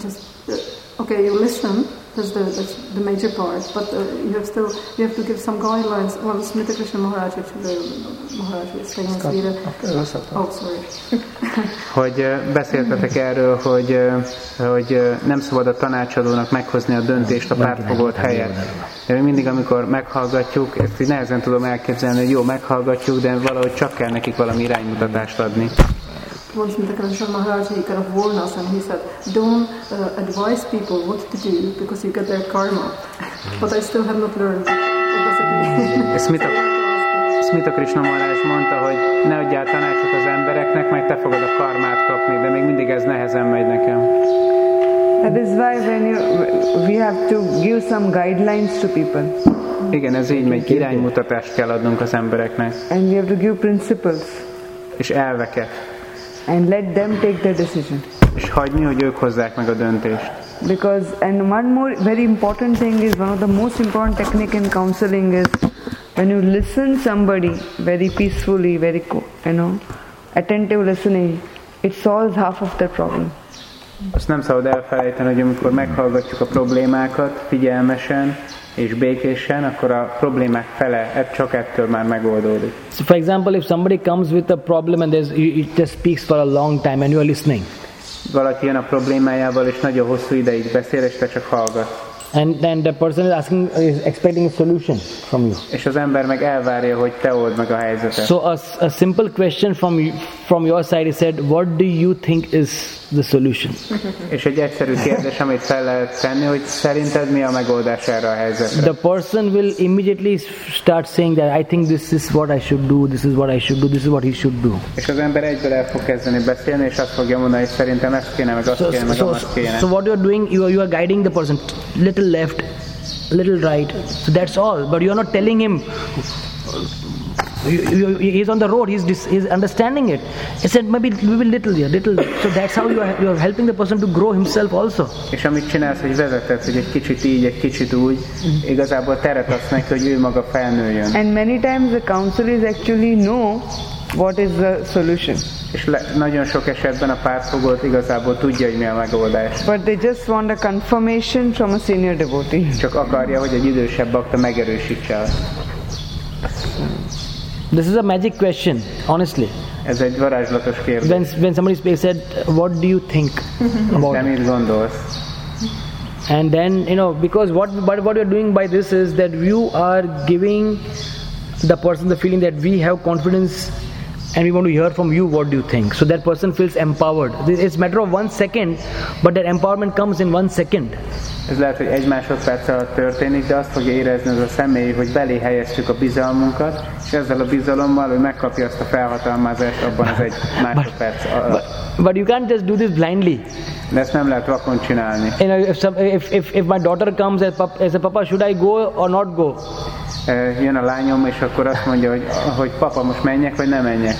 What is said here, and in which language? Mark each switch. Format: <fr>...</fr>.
<en>Just okay, you listen. That's the major part, but you have to give some guidelines. Well, it's Smita Krishna Maharaj, which the Maharaj is famous leader. Oh, sorry.</en> <hu>Hogy beszéltetek erről, hogy nem szabad a tanácsadónak meghozni a döntést a pártfogolt helyet. De mindig, amikor meghallgatjuk, ezt így nehezen tudom elképzelni, hogy jó, meghallgatjuk, de valahogy csak kell nekik valami iránymutatást adni.</hu> <en>Once Smita Krishna Maharaj, he kind of warned us and he said, don't advise people what to do because you get their karma. But I still have not learned what does it mean.</en> <hu>Smita Krishna Maharaj mondta, hogy ne adjál tanácsot az embereknek, majd te fogod a karmát kapni, de még mindig ez nehezen megy nekem.</hu> <en>That is why we have to give some guidelines to people.</en> <hu>Igen, ez így megy, iránymutatást kell adnunk az embereknek.</hu> <en>And we have to give principles.</en> <hu>És elveket.</hu> <en>And let them take the decision.</en> <hu>És hagyni, hogy ők hozzák meg a döntést.</hu> <en>Because and one more very important thing is one of the most important technique in counseling is when you listen somebody very peacefully, very attentive listening, it solves half of the problem.</en> <hu>Azt nem szabad elfelejteni, hogy amikor meghallgatjuk a problémákat figyelmesen és békésen, akkor a problémák fele csak ettől már megoldódik.</hu> <en>So for example, if somebody comes with a problem and there's it just speaks for a long time and you are listening.</en> <hu>Valaki jön a problémájával és nagyon hosszú ideig beszél és te csak hallgat.</hu> <en>And then the person is expecting a solution from you.</en> <hu>És az ember meg elvárja, hogy te old meg a helyzetet.</hu> <en>So a simple question from your side is said, what do you think is the solution?</en> <hu>És egy egyszerű kérdés, amit fel lehet tenni, hogy szerinted mi a megoldás erre a helyzetre?</hu> <en>The person will immediately start saying that I think this is what I should do, this is what I should do, this is what he should do.</en> <hu>És az ember egyből el fog kezdeni beszélni, és azt fogja mondani, hogy szerintem ezt kéne, meg azt kéne, meg azt kéne.</hu> <en>So what you are doing, you are guiding the person. Little left, little right. So that's all. But you are not telling him. He's on the road. He's understanding it. He said maybe we will little here, little. So that's how you are helping the person to grow himself also.</en> <hu>És amit csinálsz, hogy vezeted, hogy egy kicsit így, egy kicsit úgy, igazából teret adsz neki, hogy ő maga felnőjön.</hu> <en>And many times the counselors actually know what is the solution.</en> <hu>És nagyon sok esetben a pártfogolt igazából tudja, hogy mi a megoldás.</hu> <en>But they just want a confirmation from a senior devotee.</en> <hu>Csak akarja, hogy egy idősebb bakta megerősítse azt.</hu> <en>This is a magic question, honestly.</en> <hu>Ez egy varázslatos kérdés.</hu> <en>When somebody said, what do you think about it? And then, because what you're doing by this is that you are giving the person the feeling that we have confidence and we want to hear from you, what do you think? So that person feels empowered. It's a matter of 1 second, but that empowerment comes in 1 second.</en> <hu>Ez lehet, hogy egy másodperc alatt történik, de azt fogja érezni az a személy, hogy belé helyeztük a bizalmunkat, és ezzel a bizalommal ő megkapja azt a felhatalmazást abban az egy másodperc alatt.</hu> <en>But you can't just do this blindly.</en> <hu>De ezt nem lehet vakon csinálni.</hu> <en>If my daughter comes as a papa, should I go or not go?</en> <hu>Jön a lányom, és akkor azt mondja, hogy, papa, most menjek, vagy nem menjek.</hu>